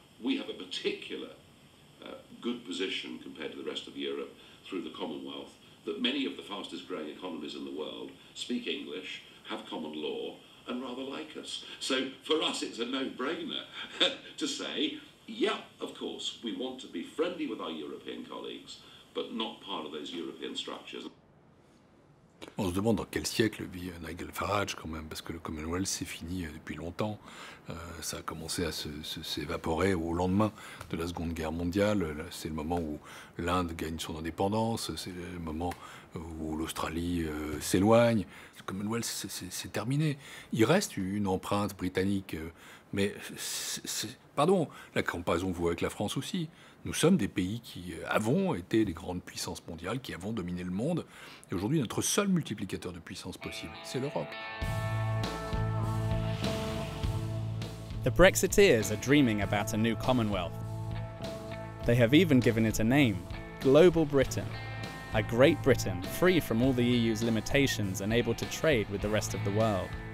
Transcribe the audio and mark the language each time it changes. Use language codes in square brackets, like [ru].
[en] We have a particular good position compared to the rest of Europe through the Commonwealth, that many of the fastest growing economies in the world speak English, have common law, and rather like us. So for us, it's a no-brainer to say, yeah, of course, we want to be friendly with our European colleagues, but not part of those European structures. [fr] On se demande dans quel siècle vit Nigel Farage quand même, parce que le Commonwealth s'est fini depuis longtemps. Ça a commencé à s'évaporer au lendemain de la Seconde Guerre mondiale. C'est le moment où l'Inde gagne son indépendance, c'est le moment où l'Australie s'éloigne. Le Commonwealth, c'est terminé. Il reste une empreinte britannique, mais pardon, la comparaison vaut avec la France aussi. Nous sommes des pays qui avons été des grandes puissances mondiales, qui avons dominé le monde. Et aujourd'hui, notre seul multiplicateur de puissance possible, c'est l'Europe. [en] The Brexiteers are dreaming about a new Commonwealth. They have even given it a name, Global Britain, a Great Britain, free from all the EU's limitations and able to trade with the rest of the world.